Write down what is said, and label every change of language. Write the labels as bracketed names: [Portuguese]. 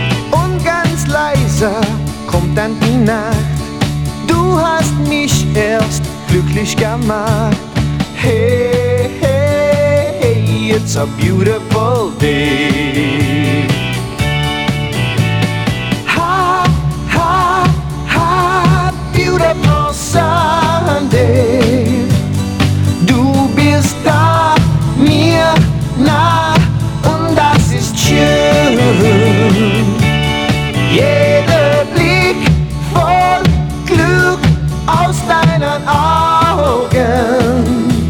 [German] Und ganz leise kommt dann die Nacht. Du hast mich erst glücklich gemacht. [English] Hey, hey, it's a beautiful day. Ha, ha, ha, beautiful Sunday. [German] Du bist da, mir nah, und das ist schön. Jeder Blick voll Glück aus deinen Augen.